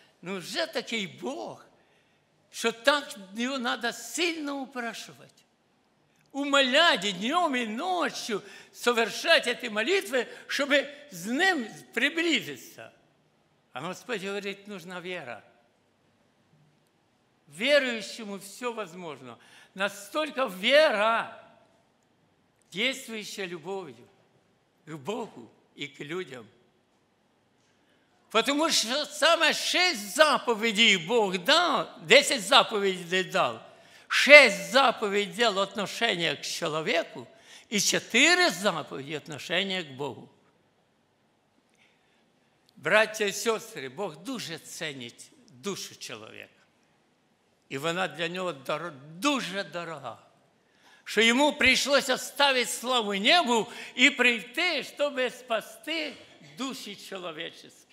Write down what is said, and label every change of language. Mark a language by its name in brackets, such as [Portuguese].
[Ukrainian] Ну вже такий Бог, що так його треба сильно упрашувати. Умоляти днем і ночью совершати ці молитви, щоб з ним приблизитися. А Господь говорить, нужна віра. [Russian] Верующему все возможно. Настолько вера, действующая любовью к Богу и к людям. Потому что самое 6 заповедей Бог дал, 10 заповедей дал, 6 заповедей дал отношение к человеку и 4 заповеди отношения к Богу. Братья и сестры, Бог дуже ценит душу человека. [Ukrainian] І вона для нього дуже дорога. що йому прийшлося ставити славу небу і прийти, щоб спасти душі чоловічі.